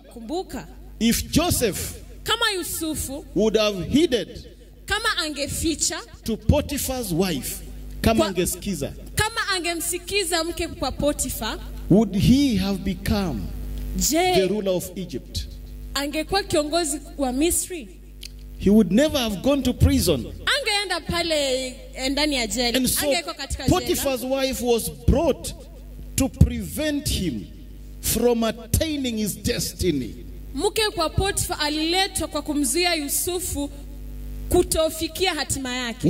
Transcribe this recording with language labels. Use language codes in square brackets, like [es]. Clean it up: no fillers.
[sw] Kumbuka. [en] If Joseph. [sw] Kama Yusufu. [en] Would have heeded. [sw] Kama angeficha [en] to Potiphar's wife, [sw] kama angesikiza, kama angemsikiza mke kwa Potiphar, [en] would he have become the ruler of Egypt? [sw] Angekuwa kiongozi wa Misri? [en] He would never have gone to prison. [sw] Angeenda pale ndani ya jela. [en] And so Potiphar's wife was brought to prevent him from attaining his destiny. [sw] Mke kwa Potiphar aliletwa kwa kumzuia Yusufu kutofikia hatima yake.